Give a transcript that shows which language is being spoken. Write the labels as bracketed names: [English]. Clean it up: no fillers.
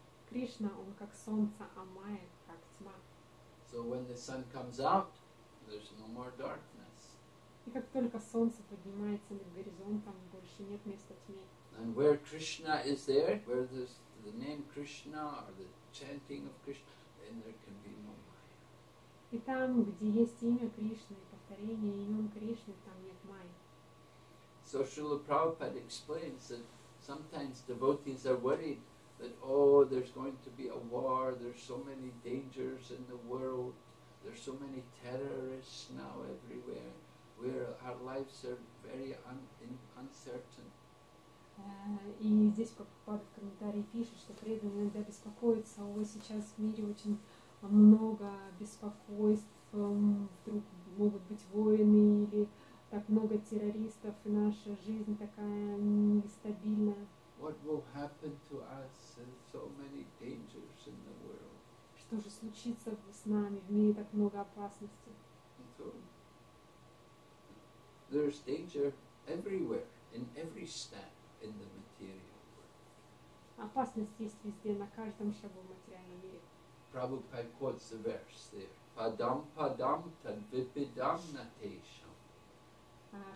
[Russian] Кришна, он как солнце, а Майя как тьма. [English] So when the sun comes out, there's no more darkness. [Russian] И как только солнце поднимается над горизонтом, больше нет места тьме. [English] And where Krishna is there, where there's the name Krishna or the chanting of Krishna, then there can be no Maya. [Russian] И там, где есть имя Кришны, повторение имен Кришны, там нет Майи. [English] So Srila Prabhupada explains that sometimes devotees are worried that, oh, there's going to be a war, there's so many dangers in the world, there's so many terrorists now everywhere, where our lives are very uncertain. [Russian] И здесь Прабхупада в комментарии пишет, что преданные иногда беспокоятся, ой, сейчас в мире очень много беспокойств, вдруг могут быть войны или так много террористов, и наша жизнь такая нестабильная. [English] What will happen to us and so many dangers in the world? [Russian] Что же случится с нами, в мире так много опасностей? [English] So, there's danger everywhere, in every step. In the material world. [Russian] Опасность есть везде, на каждом шагу в материальном мире. [English] Prabhupada quotes the verse there. [Sanskrit] Padam padam tad vipidam natesham.